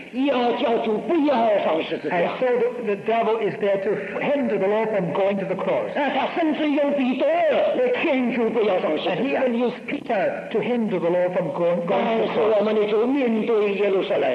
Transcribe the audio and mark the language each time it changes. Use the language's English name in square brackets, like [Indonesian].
[Chinese] 所以我们知道仇敌就在那里要叫主不要上十字架, [English] and so the devil is there to hinder the Lord from going to the cross. [Chinese] 甚至用彼得来劝主不要上十字架, [English] and he even used Peter to hinder the Lord from going to the cross.